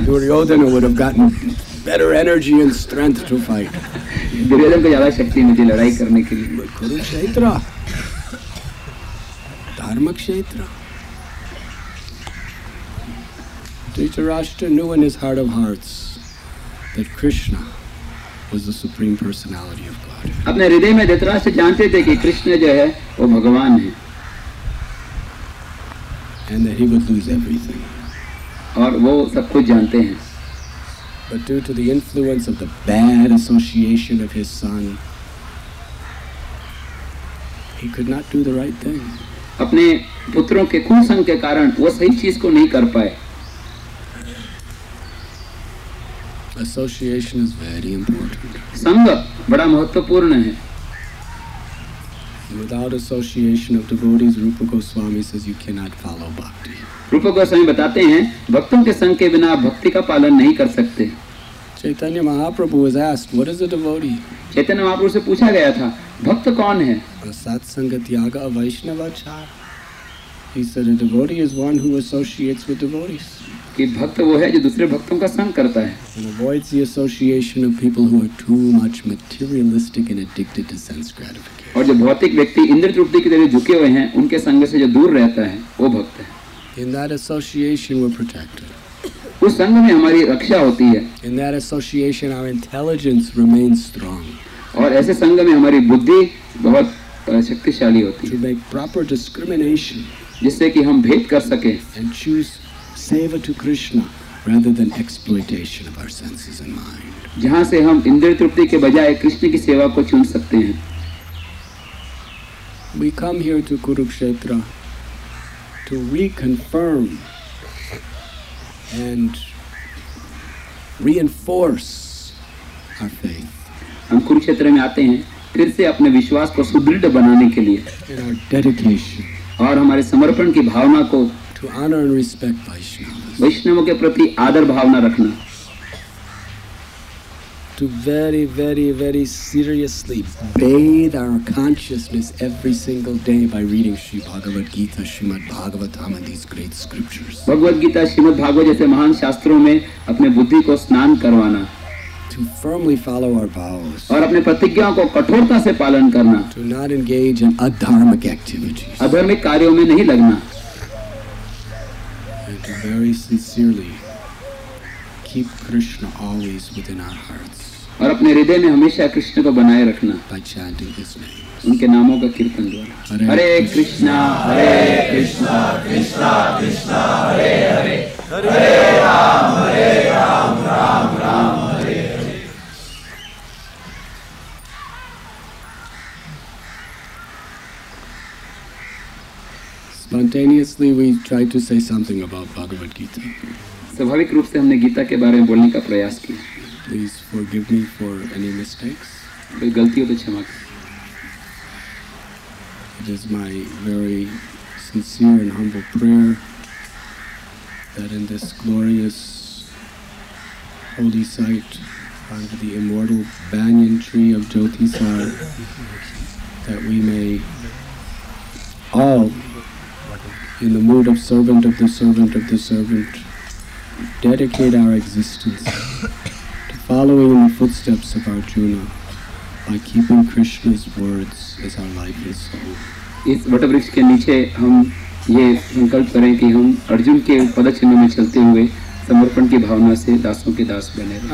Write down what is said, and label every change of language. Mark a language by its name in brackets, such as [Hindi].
[English] Duryodhana would have gotten better energy and strength to fight. [Hindi] Duryodhana को ज़्यादा शक्ति मिली लड़ाई करने के लिए. Kurukshetra. धर्मक्षेत्र. [English] Dhritarashtra knew in his heart of hearts that Krishna was the supreme personality of God. [Hindi] अपने हृदय में धृतराष्ट्र जानते थे कि कृष्ण जो है वो भगवान है. [English] And that he would lose everything. [Hindi] और वो सब कुछ जानते हैं. [English] But due to the influence of the bad association of his son, he could not do the right thing. [Hindi] अपने पुत्रों के कुसंग के कारण वो सही चीज को नहीं कर पाए. [English] Association is very important. [Hindi] संग बड़ा महत्वपूर्ण है. [English] Without association of devotees, Rupa Goswami says you cannot follow bhakti. [Hindi] Rupa Goswami बताते हैं भक्तों के संग के बिना भक्ति का पालन नहीं कर सकते. [English] Chaitanya Mahaprabhu was asked, "What is a devotee?" [Hindi] Chaitanya Mahaprabhu से पूछा गया था भक्त कौन है. Prasad sangatyaga vaishnava char. [English] He said a devotee is one who associates with devotees. [Hindi] कि भक्त वो है जो दूसरे भक्तों का संग करता है. [English] And avoids the association of people who are too much materialistic and addicted to sense gratification. [Hindi] और जो भौतिक व्यक्ति इंद्र तृप्ति की तरह झुके हुए हैं उनके संग से जो दूर रहता है वो भक्त है. [English] In that association we're protected. [Hindi] उस संग में हमारी रक्षा होती है. [English] In that association our intelligence remains strong. [Hindi] और ऐसे संग में हमारी बुद्धि बहुत शक्तिशाली होती [English] है. To make proper discrimination. [Hindi] जिससे कि हम भेद कर सके. [English] And choose seva to Krishna rather than exploitation of our senses and mind. [Hindi] जहाँ से हम इंद्र तृप्ति के बजाय कृष्ण की सेवा को चुन सकते हैं. [English] We come here to Kurukshetra to reconfirm and reinforce our faith. [Hindi] हम कुरुक्षेत्र में आते हैं फिर से अपने विश्वास को सुदृढ़ बनाने के लिए. [English] And our dedication. [Hindi] और हमारे समर्पण की भावना को. [English] To honor and respect Vaishnavas. [Hindi] वैष्णवों के प्रति आदर भावना रखना. [English] To very, very, very seriously bathe our consciousness every single day by reading Shri Bhagavad Gita, Shrimad Bhagavatam, and these great scriptures. [Hindi] Bhagavad Gita, Shrimad Bhagavatam जैसे महान शास्त्रों में अपने बुद्धि को स्नान करवाना. [English] To firmly follow our vows. [Hindi] और अपने प्रतिज्ञाओं को कठोरता से पालन करना. [English] To not engage in adharmic activities. [Hindi] अधर्मिक कार्यों में नहीं लगना. [English] And to very sincerely keep Krishna always within our hearts. [Hindi] और अपने हृदय में हमेशा कृष्ण को बनाए रखना. [English] By chanting his name. [Hindi] उनके नामों का कीर्तन द्वारा. [Sanskrit] हरे कृष्णा हरे Krishna Krishna Krishna Hare Hare Hare Ram Ram Ram Hare Hare. [English] obviously we try to say something about Bhagavad Gita. [Hindi] स्वाभाविक रूप से हमने गीता के बारे में बोलने का प्रयास किया. [English] Please forgive me for any mistakes. [Hindi] कोई गलतियों पे क्षमा करें. [English] It is my very sincere and humble prayer that in this glorious holy site under the immortal banyan tree of Jyotisar that we may all, in the mood of servant of the servant of the servant, dedicate our existence to following in the footsteps of Arjuna by keeping Krishna's words as our life and soul. [Hindi] इस वटवृक्ष के नीचे हम ये संकल्प करें कि हम अर्जुन के पदचिन्ह में चलते हुए समर्पण की भावना से दासों के दास बने रहें.